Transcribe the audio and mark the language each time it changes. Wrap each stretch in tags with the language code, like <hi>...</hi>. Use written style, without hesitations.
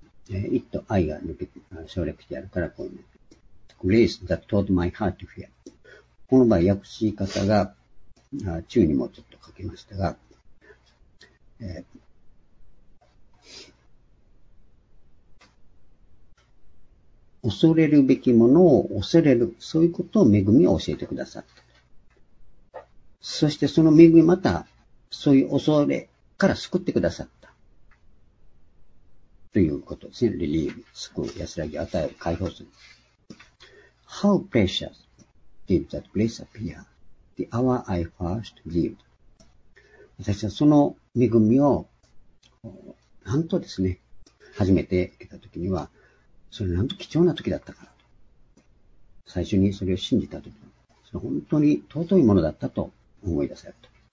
<ja>It と I が抜け省略してあるからこういうの</ja> <en>Grace that taught my heart to fear</en> <ja>この場合訳し方が中にもちょっと書きましたが、恐れるべきものを恐れる。そういうことを恵みを教えてくださった。そしてその恵みまた、そういう恐れから救ってくださった。ということですね。リリーフ、救う、安らぎ、与える、解放する。</ja> <en>How precious did that grace appear? The hour I first lived.</en> <ja>私はその恵みを、なんとですね、初めて受けたときには、それなんと貴重な時だったからと。最初にそれを信じた時、それ本当に尊いものだったと思い出されると。</ja>